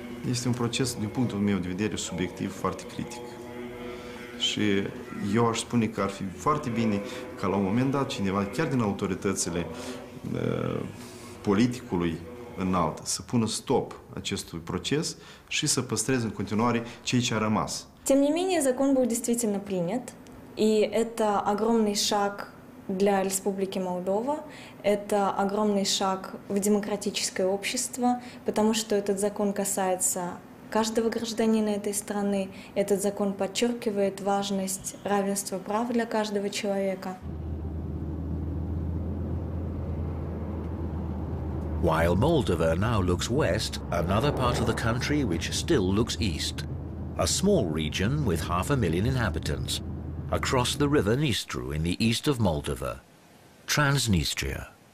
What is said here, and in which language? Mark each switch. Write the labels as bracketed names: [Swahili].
[Romanian] Este un proces, din punctul meu de vedere, subiectiv, foarte critic. Și eu aș spune că ar fi foarte bine ca la un moment dat cineva, chiar din autoritățile politicului înalt, să pună stop acestui proces și să păstreze în continuare ceea ce a rămas. [Russian] Тем не менее, закон был действительно принят, и это огромный шаг для Республики Молдова это огромный шаг в демократическое общество, потому что этот закон касается каждого гражданина этой страны. Этот закон подчеркивает важность равенства прав для каждого человека. [English] While Moldova now looks west, another part of the country which still looks east. A small region with 500,000 inhabitants, across the river Dniester in the east of Moldova, Transnistria.